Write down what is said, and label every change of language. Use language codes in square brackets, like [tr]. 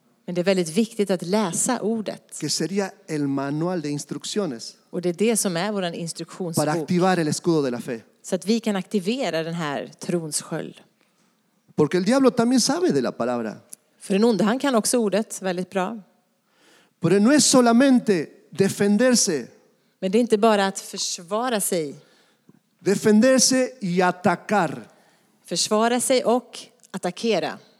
[sv] Men det är väldigt viktigt att läsa ordet. [es] Que sería el manual de instrucciones. [sv] Och det är det som är vår instruktionsbok. [es] Para activar el escudo de la fe. [sv] Så att vi kan aktivera den här trons sköld. [es] Porque el diablo también sabe de la palabra. [sv] För en onde, han kan också ordet väldigt bra. [es] Pero no es solamente defenderse. [sv] Men det är inte bara att försvara sig. [es] Defenderse y atacar. [sv] Försvara sig och attackera.